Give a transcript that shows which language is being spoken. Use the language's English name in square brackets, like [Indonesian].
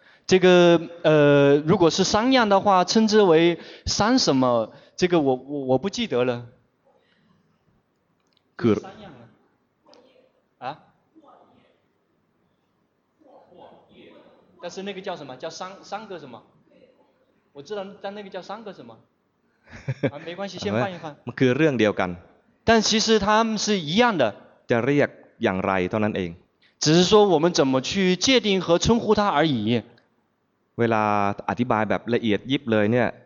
[Chinese] 这个如果是三样的话称之为三什么这个我不记得了 [Thai] คือ [Chinese] 三样啊但是那个叫什么叫三个什么我知道但那个叫三个什么没关系先换一换 [Thai] มันคือเรื่องเดียวกัน [Chinese] 但其实它们是一样的 [Thai] จะเรียกอย่างไรเท่านั้นเอง [Chinese] 只是说我们怎么去界定和称呼它而已 [Thai] เวลาอธิบายแบบละเอียดยิบเลยเนี่ย